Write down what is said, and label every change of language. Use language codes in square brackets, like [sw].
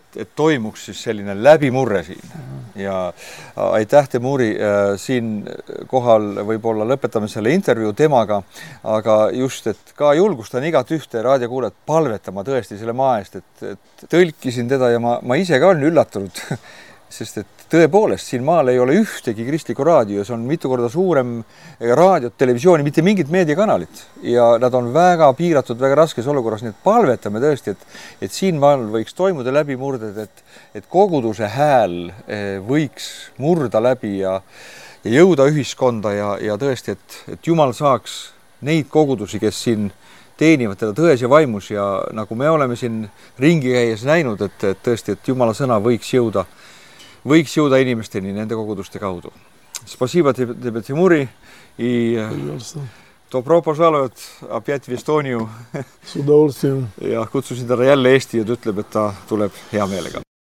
[et] Et toimuks siis selline läbimurre siin. Ja aitäh, Temuri, siin kohal võib-olla lõpetame selle intervju temaga, aga just, et ka julgustan igat ühte raadiokuulet palvetama tõesti selle maa eest, et tõlkisin teda ja ma ise ka olen üllatunud, sest et tõepoolest siin maal ei ole ühtegi kristliku raadio, see on mitu korda suurem raadio, televisiooni, mitte mingit meediakanalit ja nad on väga piiratud, väga raskes olukorras, nii et palvetame tõesti, et siin maal võiks toimuda läbi murded, et koguduse hääl võiks murda läbi ja jõuda ühiskonda ja tõesti, et Jumal saaks neid kogudusi, kes siin teenivad teda tões ja vaimus ja nagu me oleme siin ringi käies näinud, et tõesti, et Jumala sõna võiks jõuda inimesteni nende koguduste kaudu. [ru] Спасибо тебе, Тимури, и добро пожаловать опять в Эстонию. С удовольствием. [et] Ja kutsusin teda jälle Eesti ja ütleb, et ta tuleb hea meelega.